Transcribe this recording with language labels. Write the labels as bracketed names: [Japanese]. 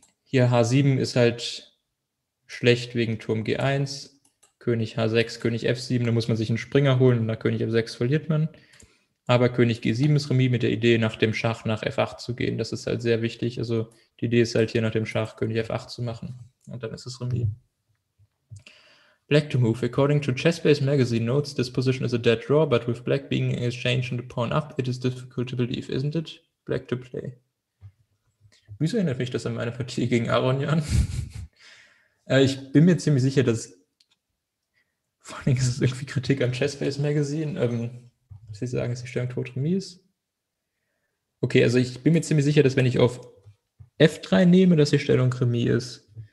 [German] Hier H7 ist halt schlecht wegen Turm G1, König H6, König F7, da muss man sich einen Springer holen und nach König F6 verliert man. Aber König G7 ist Remis mit der Idee, nach dem Schach nach F8 zu gehen. Das ist halt sehr wichtig. Also die Idee ist halt hier nach dem Schach König F8 zu machen. Und dann ist es Remis. [English] Black to move. According to Chessbase Magazine notes, this position is a dead draw, but with black being exchanged and a pawn up, it is difficult to believe, isn't it? Black to play. [German] Wieso erinnert mich das an meine Partie gegen Aronian? Ich bin mir ziemlich sicher, dass. Vor allem ist es irgendwie Kritik an Chessbase Magazine. Sie sagen, es ist die Stellung tot Remis. Okay, also ich bin mir ziemlich sicher, dass wenn ich auf F3 nehme, dass die Stellung Remis ist.